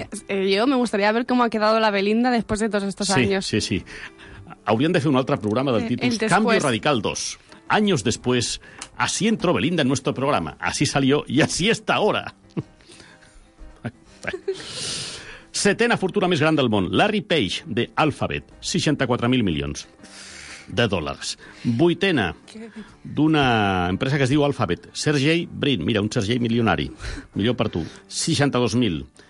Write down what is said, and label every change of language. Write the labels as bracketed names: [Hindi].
[Spanish] Yo me gustaría ver cómo ha quedado la Belinda después de todos estos años. Sí, sí, sí. [Catalan] Haurien de fer un altre programa del títol Cambio Radical 2. [Spanish] Años después, así entró Belinda en nuestro programa. Así salió y así está ahora. [Catalan] Setena fortuna més gran del món. Larry Page, de Alphabet. 64.000 milions de dòlars. Vuitena d'una empresa que es diu Alphabet. Sergey Brin. Mira, un Sergey milionari. Millor per tu. 62.000.